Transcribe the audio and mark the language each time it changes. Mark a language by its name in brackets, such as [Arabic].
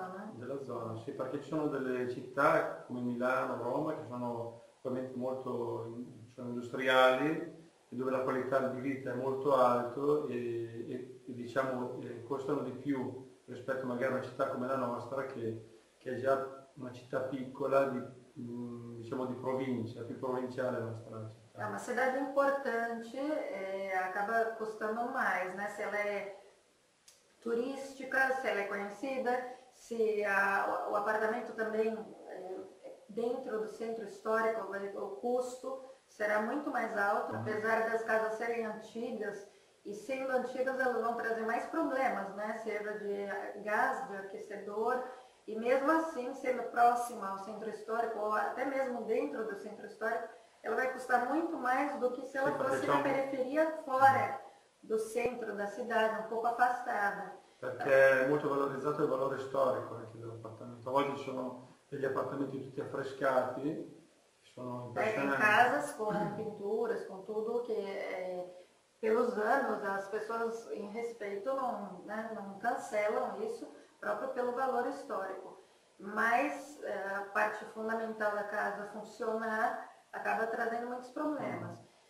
[Italian] Della zona, sì, perché ci sono delle città come Milano, Roma, che sono ovviamente molto industriali, dove la qualità di vita è molto alta e diciamo costano di più rispetto magari a una città come la nostra, che è già una città piccola diciamo di provincia, più provinciale la nostra città. [Portuguese] Ma cidade importante acaba costando mais, né? Se ela è turistica, se ela è conhecida, se o apartamento também dentro do centro histórico, o custo será muito mais alto, apesar das casas serem antigas, e sendo antigas elas vão trazer mais problemas, né? Seja de gás, de aquecedor. E mesmo assim, sendo próxima ao centro histórico, ou até mesmo dentro do centro histórico, ela vai custar muito mais do que se ela fosse na periferia fora do centro da cidade, um pouco afastada. [Italian] Perché [Portuguese] é muito [Italian] valorizzato il valore storico anche dell'appartamento. Oggi sono degli appartamenti tutti affrescati, sono impressionanti. [Portuguese] Tem casas com pinturas, com tudo, que pelos anos as pessoas em respeito não, né, não cancelam isso. Proprio pelo valor histórico, mas a parte fundamental da casa funcionar acaba trazendo muitos problemas.